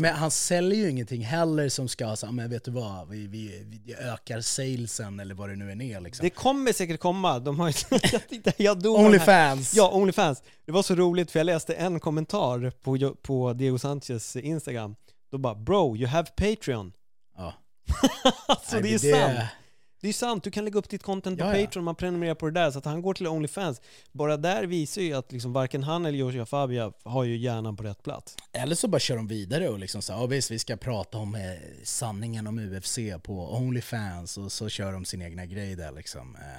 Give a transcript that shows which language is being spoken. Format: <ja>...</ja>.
<sv>Men han säljer ju ingenting heller som ska säga, men vet du vad, vi ökar salesen eller vad det nu är ner liksom. Det kommer säkert komma. De har jag OnlyFans. Ja, OnlyFans. Det var så roligt, för jag läste en kommentar på Diego Sanchez Instagram. Då bara,</sv> <en>bro, you have Patreon.</en> <sv>Ja. Alltså, nej, det är sant. Det är sant, du kan lägga upp ditt content på, ja, Patreon, man prenumererar på det där, så att han går till OnlyFans. Bara där visar ju att liksom varken han eller Joshua Fabia har ju hjärnan på rätt plats. Eller så bara kör de vidare och liksom så, oh, visst, vi ska prata om sanningen om UFC på OnlyFans, och så kör de sin egna grej där liksom.</sv>